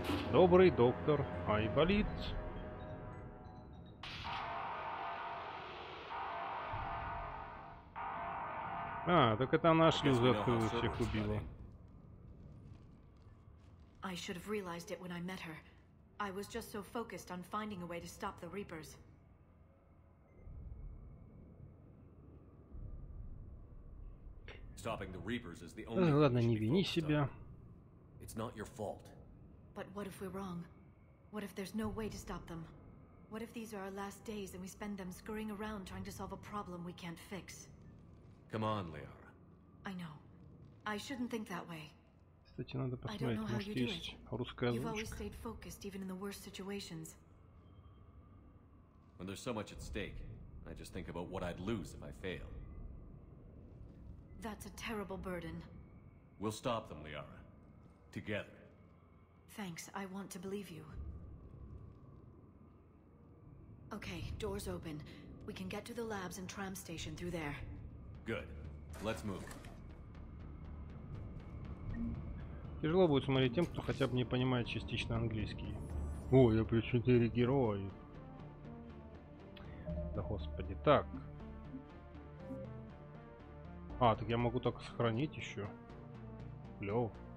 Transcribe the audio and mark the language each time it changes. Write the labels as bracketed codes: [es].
[ru] Добрый доктор, ай болит. А, так это она шлюзы открыла, всех убила. [en] I should have realized it when I met her. I was just so focused on finding a way to stop the Reapers. Stopping the Reapers is the only... [ru] Ладно, не вини себя. [en] It's not your fault. But what if we're wrong? What if there's no way to stop them? What if these are our last days and we spend them scurrying around trying to solve a problem we can't fix? Come on, Liara. I know. I shouldn't think that way. [ru] Кстати, надо посмотреть, может, есть русская озвучка. [en] You've always stayed focused even in the worst situations. When there's so much at stake, I just think about what I'd lose if I fail. That's a terrible burden. We'll stop them, Liara. Together. Thanks, I want to believe you. Okay, doors open. We can get to the labs and tram station through there. Good. Let's move. [ru] Тяжело будет смотреть тем, кто хотя бы не понимает частично английский. О, я плюс 4 герои. Да господи, так. А, так я могу только сохранить еще. Клево.